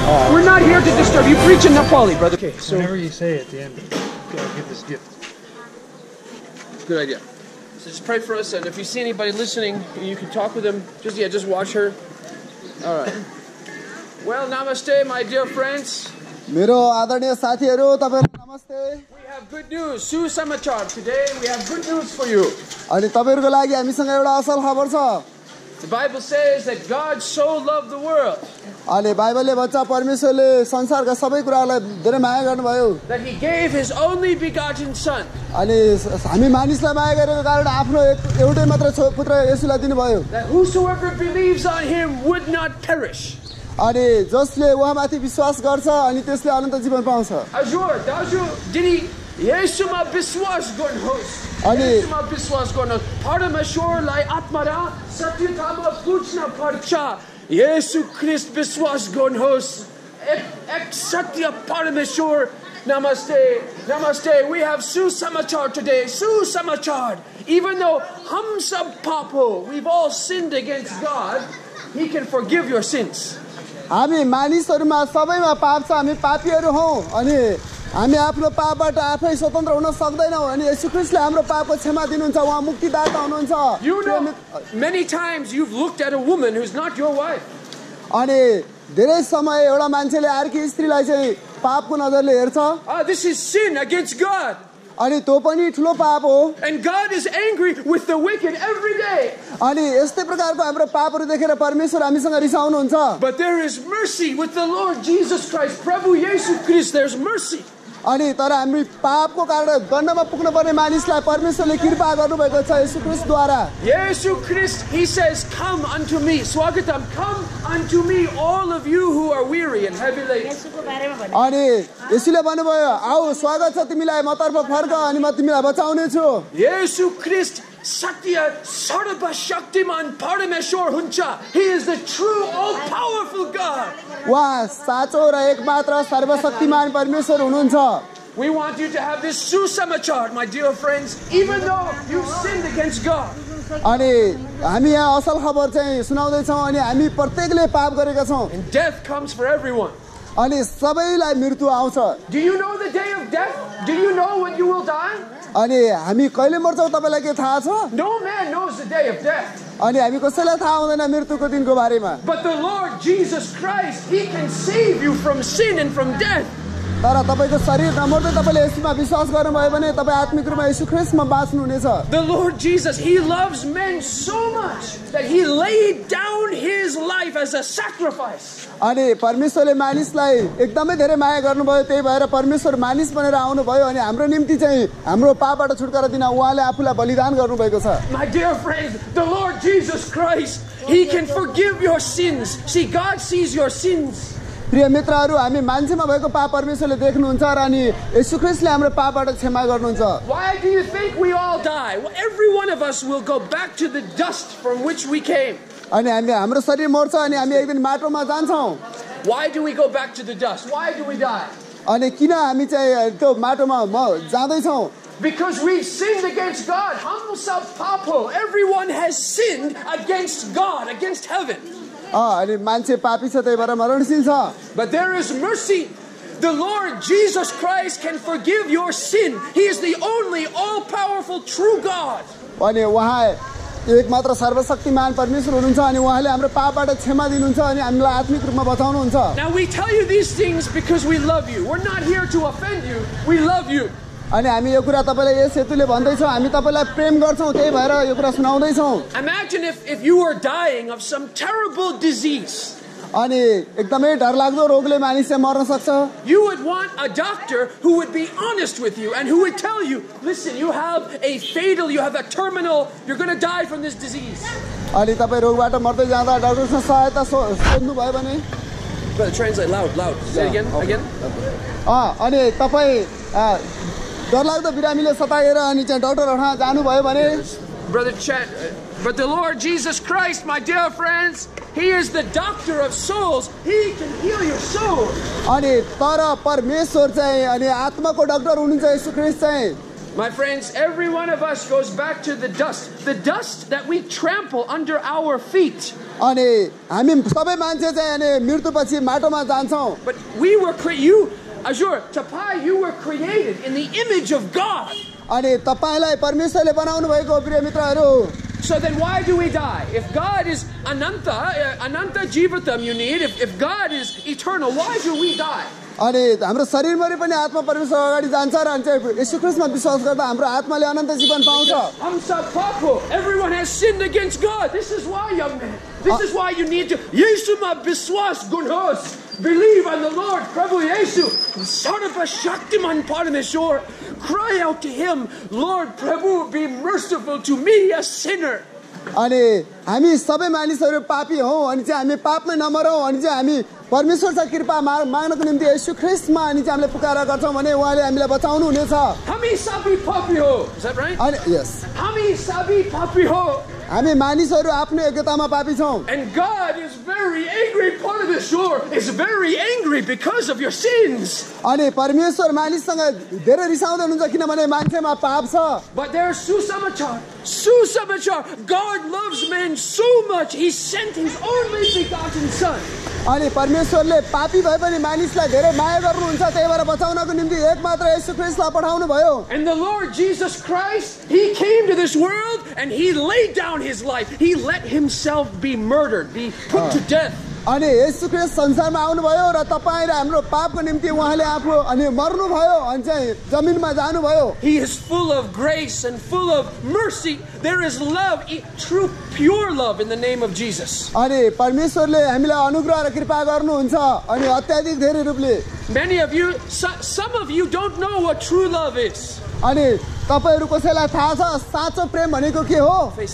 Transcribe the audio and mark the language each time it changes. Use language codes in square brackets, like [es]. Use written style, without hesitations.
[en] We're not here to disturb you. Preach in Nepali, brother. Okay, so whenever you say it at the end, I'll give this gift. Good idea. So just pray for us, and if you see anybody listening, you can talk with them. Just watch her. All right. Well, namaste, my dear friends. [ne] मेरो आदरणीय साथीहरू, तपाईहरुलाई नमस्ते. [en] We have good news. [ne] Su samachar. [en] Today we have good news for you. [ne] अनि तपाईहरुको लागि हामीसँग एउटा असल खबर छ. [en] The Bible says that God so loved the world. [ne] अनि बाइबलले भन्छ परमेश्वरले संसारका सबै कुरालाई धेरै माया गर्नुभयो. [en] That he gave his only begotten son. [ne] अनि हामी मानिसलाई माया गरेको कारण आफ्नो एउटै मात्र पुत्र येशूलाई दिनुभयो. [en] That whosoever believes on him would not perish. [ne] अनि जसले उहाँमाथि विश्वास गर्छ अनि त्यसले अनन्त जीवन पाउँछ. हजुर दाजु दिदी, येशूमा विश्वास गर्नुहोस्. अनि येशूमा विश्वास गर्नुहोस्. परमेश्वरलाई आत्मा र सत्यतामा पुज्न पर्छ. येशू ख्रीष्ट विश्वास गर्नुहोस्. एक सत्य परमेश्वर. Namaste, namaste. [en] We have Susamachar today. Susamachar. Even though [ne] hum sab paap ho, [en] we've all sinned against God, he can forgive your sins. [ne] हामी मानिसहरूमा सबैमा पाप छ, हामी पापीहरू हौ, अनि हामी आफ्नो पापबाट आफै स्वतन्त्र हुन सक्दैनौँ. अनि येशू ख्रीष्टले हाम्रो पापको क्षमा दिनुहुन्छ, उहाँ मुक्तिदाता हुनुहुन्छ. [en] Many times you've looked at a woman who's not your wife. [ne] अनि धेरै समय एउटा मान्छेले अर्की स्त्रीलाई चाहिँ पापको नजरले हेर्छ. [en] This is sin against God. [ne] अनि त्यो पनि ठुलो पाप हो. [en] And God is angry with the wicked every day. [ne] अनि यस्तै प्रकारको हाम्रो पापहरू देखेर परमेश्वर हामीसँग रिसाउनुहुन्छ. [en] But there is mercy with the Lord Jesus Christ. [ne] प्रभु येशू ख्रीष्ट, [en] there's mercy. [ne] अनि तर हामी पापको कारण दण्डमा पुग्न पर्ने मानिसलाई परमेश्वरले कृपा गर्नुभएको छ येशू ख्रीष्टद्वारा. [en] येशू ख्रीष्ट, he says, come unto me. [ne] स्वागतम. [en] Come unto me all of you who are weary and heavy laden. [ne] येशूको बारेमा भन्नु. अनि येशूले भन्नुभयो, आऊ, स्वागत छ तिमीलाई, म तर्फ फर्क अनि म तिमीलाई बचाउने छु. येशू ख्रीष्ट सत्य सर्वशक्तिमान परमेश्वर हुन्छ. [en] He is the true all powerful God. [ne] वा साचो र एकमात्र सर्वशक्तिमान परमेश्वर हुनुहुन्छ. [en] We want you to have this susamachar, my dear friends, even though you sinned against God. [ne] अनि हामी यहाँ असल खबर चाहिँ सुनाउँदै छौँ, अनि हामी प्रत्येकले पाप गरेका छौँ. [en] Death comes for everyone. [ne] अनि सबैलाई मृत्यु आउँछ. [en] Do you know the day of death? Do you know when you will die? [ne] अनि हामी कहिले मर्छौँ तपाईँलाई के थाहा छ? [en] No man knows the day of death. [ne] अनि हामी कसैलाई थाहा हुँदैन मृत्युको दिनको बारेमा. [en] But the Lord Jesus Christ, he can save you from sin and from death. [ne] तर तपाईँको शरीर नमर्दै तपाईँले येशूमा विश्वास गर्नुभयो भने तपाईँ आत्मिक रूपमा येशू ख्रीष्टमा बाँच्नुहुनेछ. [en] The Lord Jesus, he loves men so much that he laid down his life as a sacrifice. [ne] अनि परमेश्वरले मानिसलाई एकदमै धेरै माया गर्नुभयो, त्यही भएर परमेश्वर मानिस बनेर आउनुभयो अनि हाम्रो निम्ति चाहिँ हाम्रो पापबाट छुटकारा दिन उहाँले आफूलाई बलिदान गर्नुभएको छ. [en] My dear friends, the Lord Jesus Christ, he can forgive your sins. See, God sees your sins. [ne] प्रिय मित्रहरू, हामी मान्छेमा भएको पाप परमेश्वरले देख्नुहुन्छ र अनि येशू ख्रीष्टले हाम्रो पापबाट क्षमा गर्नुहुन्छ. [en] Why do you think we all die? Well, every one of us will go back to the dust from which we came. [ne] अनि हामी हाम्रो शरीर मर्छ अनि हामी एक दिन माटोमा जान्छौँ. [en] Why do we go back to the dust? Why do we die? [ne] अनि किन हामी चाहिँ त्यो माटोमा जाँदैछौँ? [en] Because we sinned against God. [ne] Hum sab paap ho. [en] Everyone has sinned against God, against heaven. [ne] अनि मान्छे पापी छ, त्यही भएर मरणशील छ. [en] But there is mercy. The Lord Jesus Christ can forgive your sin. He is the only all-powerful true God. [ne] अनि उहाँ एकमात्र सर्वशक्तिमान परमेश्वर हुनुहुन्छ अनि उहाँले हाम्रो पापबाट क्षमा दिनुहुन्छ अनि हामीलाई आत्मिक रूपमा बचाउनुहुन्छ. [en] Now we tell you these things because we love you. We're not here to offend you. We love you. [ne] अनि हामी यो कुरा तपाईलाई यस हेतुले भन्दै छौ हामी तपाईलाई प्रेम गर्छौ त्यही भएर यो कुरा सुनाउँदै छौ [en] Imagine if you were dying of some terrible disease [ne] अनि एकदमै डरलाग्दो रोगले मानिस चाहिँ मर्न सक्छ [en] You would want a doctor who would be honest with you and who would tell you listen you have a fatal you have a terminal you're going to die from this disease [ne] अनि तपाई रोगबाट मर्दै जाँदा डाक्टरसँग सहायता सोध्नु भयो भने [en] But translate loud say yeah, again okay. [ne] अनि तपाई डरलाग्दो बिरामीले सताएर अनि चाहिँ डाक्टरहरूमा जानु भयो भने [en] Brother Chad But the Lord Jesus Christ, my dear friends, He is the doctor of souls. He can heal your soul. [ne] अनि तर परमेश्वर चाहिँ अनि आत्माको डाक्टर हुनुहुन्छ येशू ख्रीष्ट चाहिँ [en] My friends, every one of us goes back to the dust that we trample under our feet. [ne] अनि हामी सबै मान्छे चाहिँ अनि मृत्युपछि माटोमा जान्छौं. [en] But we were created, you, Azure, Tapai, you were created in the image of God. [ne] अनि तपाईलाई परमेश्वरले बनाउनु भएको प्रिय मित्रहरु [en] So then why do we die? If God is [ne] ananta jivatam [en] you need, if God is eternal, why do we die? [ne] अनि हाम्रो शरीरमा पनि आत्मा परमेश्वर अगाडि जान्छ र अनि येशू ख्रीष्टमा विश्वास गर्दा हाम्रो आत्माले अनन्त जीवन पाउँछ [en] I'm so powerful. Everyone has sinned against God. This is why, young man. This is why you need to [ne] Yeshuma biswas gunhos. [en] Believe on the Lord, Prabhu Yeshu. [ne] Sarva shaktiman parameshwar. [en] Cry out to him, Lord Prabhu, be merciful to me, a sinner. [ne] अनि हामी सबै मानिसहरू पापी हौ अनि चाहिँ हामी पापमै नमरौँ अनि चाहिँ हामी परमेश्वरको कृपा माग्नको निम्ति येशू ख्रीष्टमा अनि चाहिँ हामीले पुकार गर्छौँ भने उहाँले हामीलाई बचाउनु हुनेछ हामी सबै पापी हो [en] Is that right? [ne] अनि yes. हामी सबै पापी हो हामी मानिसहरू आफ्नो योग्यतामा पापी छौँ [en] And God is very angry part of the shore is very angry because of your sins [ne] अनि परमेश्वर मानिससँग धेरै रिसाउँदै हुनुहुन्छ किनभने मान्छेमा पाप छ [en] But there is Susamachar God loves men so much he sent his only begotten son [ne] अनि परमेश्वरले पापी भए पनि मानिसलाई धेरै माया गर्नुहुन्छ त्यही भएर बचाउनको निम्ति एकमात्र येशू ख्रीष्टलाई पठाउनु भयो [en] And the Lord Jesus Christ he came to this world and he laid down his life he let himself be murdered be put to death [ne] अनि येशू ख्रीष्ट संसारमा आउनु भयो र तपाईले हाम्रो पापको निम्ति उहाँले आफू अनि मर्नु भयो अनि चाहिँ जमिनमा जानु भयो [en] He is full of grace and full of mercy there is love true pure love in the name of Jesus [ne] अनि परमेश्वरले हामीलाई अनुग्रह र कृपा गर्नुहुन्छ अनि अत्यधिक धेरै रूपले [en] Many of you some of you don't know what true love is [ne] अनि तपाईहरु कसैलाई थाहा छ साँचो प्रेम भनेको के हो